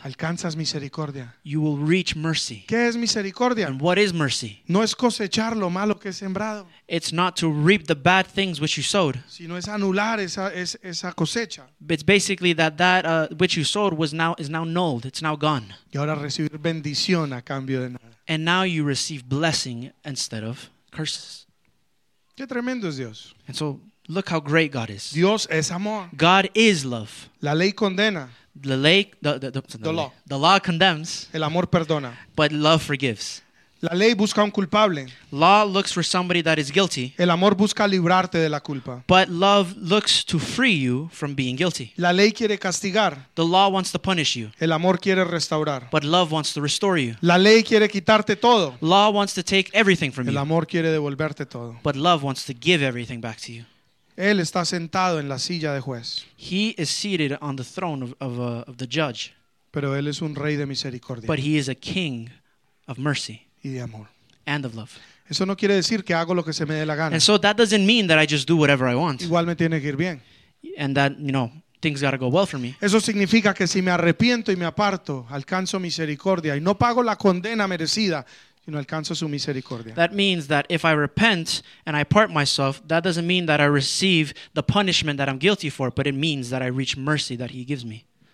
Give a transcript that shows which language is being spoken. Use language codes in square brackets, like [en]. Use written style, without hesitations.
[es] Alcanzas misericordia. [en] You will reach mercy. [es] ¿Qué es misericordia? [en] And what is mercy? [es] No es cosechar lo malo que he sembrado. [en] It's not to reap the bad things which you sowed. [es] Sino es anular esa cosecha. [en] It's basically that which you sowed is now nulled. It's now gone. [es] Y ahora recibir bendición a cambio de nada. [en] And now you receive blessing instead of curses. [es] Qué tremendo es Dios. [en] And so look how great God is. [es] Dios es amor. [en] God is love. [es] La ley condena. [en] The law. The law condemns. [es] El amor perdona. [en] But love forgives. [es] La ley busca un culpable. [en] Law looks for somebody that is guilty. [es] El amor busca librarte de la culpa. [en] But love looks to free you from being guilty. [es] La ley quiere castigar. [en] The law wants to punish you. [es] El amor quiere restaurar. [en] But love wants to restore you. [es] La ley quiere quitarte todo. [en] Law wants to take everything from [es] you. El amor quiere devolverte todo. [en] But love wants to give everything back to you. [es] Él está sentado en la silla de juez. [en] He is seated on the throne of the judge. [es] Pero él es un rey de misericordia. [en] But he is a king of mercy. [es] Y de amor. [en] And of love. [es] Eso no quiere decir que hago lo que se me dé la gana. [en] And so that doesn't mean that I just do whatever I want. [es] Igual me tiene que ir bien. [en] And that, you know, things gotta go well for me. [es] Eso significa que si me arrepiento y me aparto, alcanzo misericordia y no pago la condena merecida, sino alcanzo su misericordia. [en] That means that if I repent and I part myself, that doesn't mean that I receive the punishment that I'm guilty for, but it means that I reach mercy that he gives me.